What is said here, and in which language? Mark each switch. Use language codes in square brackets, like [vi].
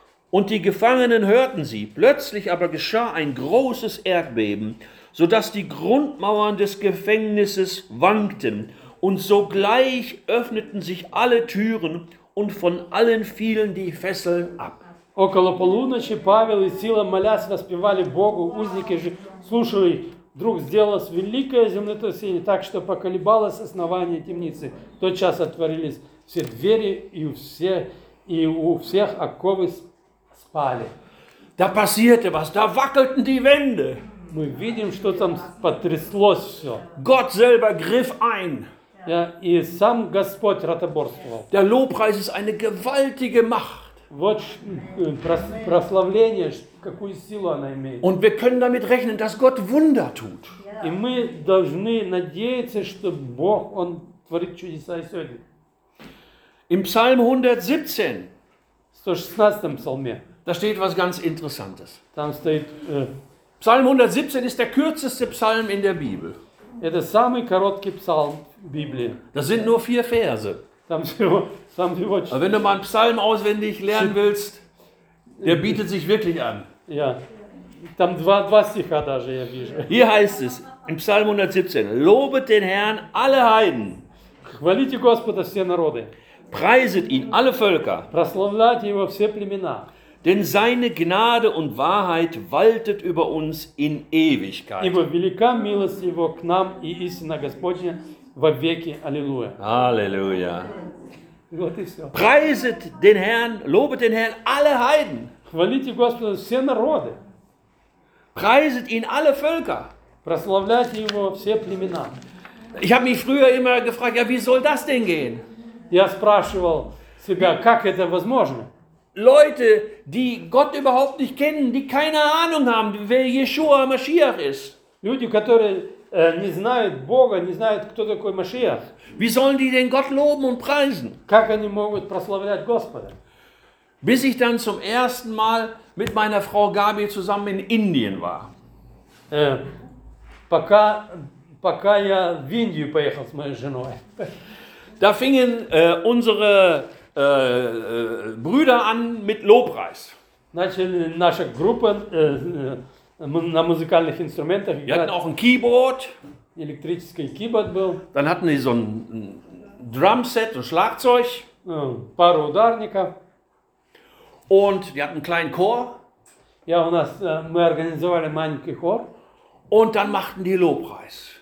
[de] Und die Gefangenen hörten sie. Plötzlich aber geschah ein großes Erdbeben, sodass die Grundmauern des Gefängnisses wankten. Und sogleich öffneten sich alle Türen und von allen fielen die Fesseln ab. [ru] Около полуночи Павел и Сила, молясь, воспевали Богу, узники же слушали. Вдруг сделалось великое землетрясение, так что поколебалось основание темницы. Тотчас отворились все двери, и у всех оковы спали. [de] Da passierte was, da wackelten die Wände. [ru] Мы видим, что там потряслось все. [de] Gott selber griff ein. [ru] Ja, и сам Господь ратоборствовал. [de] Der Lobpreis ist eine gewaltige Macht. [ru] Вот прославление, какую силу она имеет. [de] Und wir können damit rechnen, dass Gott Wunder tut. [ru] Ja. И мы должны надеяться, что Бог, Он творит чудеса и сегодня. [de] Im Psalm 117, [ru] 116 Псалме, [de] da steht was ganz Interessantes. [ru] Там стоит, [de] Psalm 117 ist der kürzeste Psalm in der Bibel. [ru] Это самый короткий псалм Библии. [de] Das sind nur vier Verse. Aber wenn du mal einen Psalm auswendig lernen willst, der bietet sich wirklich an. Ja. [ru] Там два стиха даже я вижу. [de] Hier heißt es im Psalm 117: Lobet den Herrn alle Heiden. [ru] Хвалите Господа все народы. [de] Preiset ihn alle Völker. [ru] Прославляйте его все племена. [de] Denn seine Gnade und Wahrheit waltet über uns in Ewigkeit. [ru] Ибо велика милость его к нам и истина Господня во веки. Аллилуйя. Аллилуйя. [de] Preiset den Herrn, lobet den Herrn alle Heiden. [ru] Хвалите Господа все народы. [de] Preiset ihn alle Völker. [ru] Прославляйте его все племена. [de] Ich habe mich früher immer gefragt, ja, wie soll das denn gehen? [ru] Я спрашивал себя, как это возможно? [de] Leute, die Gott überhaupt nicht kennen, die keine Ahnung haben, wer Yeshua Mashiach ist. [ru] Люди, которые не знают Бога, не знают, кто такой Машиах. [de] Wie sollen die denn Gott loben und preisen? [ru] Как они могут прославлять Господа? [de] Bis ich dann zum ersten Mal mit meiner Frau Gabi zusammen in Indien war. [ru] Пока я в Индию поехал с моей женой. [de] Da fingen unsere Brüder an mit Lobpreis. [ru] Начали наша группа на музыкальных инструментах. [de] Wir hatten auch ein Keyboard. [ru] Электрический keyboard был. [de] Dann hatten sie so ein Drumset, ein Schlagzeug. [ru] Пару ударников. [de] Und wir hatten einen kleinen Chor. [ru] Ja, у нас мы организовали маленький хор. [de] Und dann machten die Lobpreis.